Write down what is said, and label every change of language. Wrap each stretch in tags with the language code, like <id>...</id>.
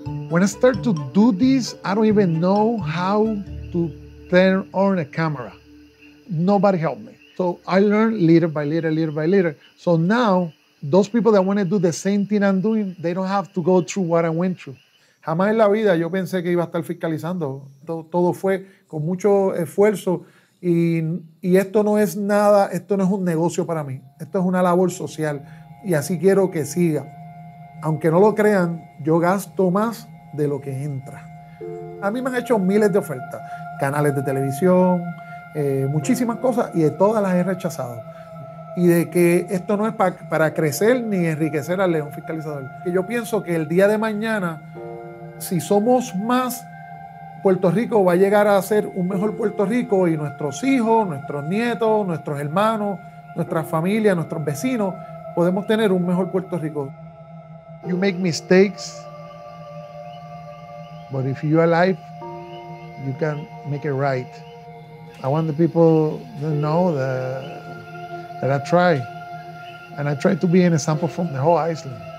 <en>When I start to do this, I don't even know how to turn on a camera. Nobody helped me. So I learned little by little, little by little. So now, those people that want to do the same thing I'm doing, they don't have to go through what I went through.</en> <es>Jamás en la vida yo pensé que iba a estar fiscalizando. Todo fue con mucho esfuerzo. Y esto no es nada, esto no es un negocio para mí. Esto es una labor social. Y así quiero que siga. Aunque no lo crean, yo gasto más de lo que entra. A mí me han hecho miles de ofertas. Canales de televisión, muchísimas cosas, y de todas las he rechazado. Y de que esto no es para crecer ni enriquecer al león fiscalizador. Que yo pienso que el día de mañana, si somos más, Puerto Rico va a llegar a ser un mejor Puerto Rico, y nuestros hijos, nuestros nietos, nuestros hermanos, nuestra familia, nuestros vecinos, podemos tener un mejor Puerto Rico.</es> <en>You make mistakes, but if you're alive, you can make it right. I want the people to know that I try. And I try to be an example from the whole island.</en>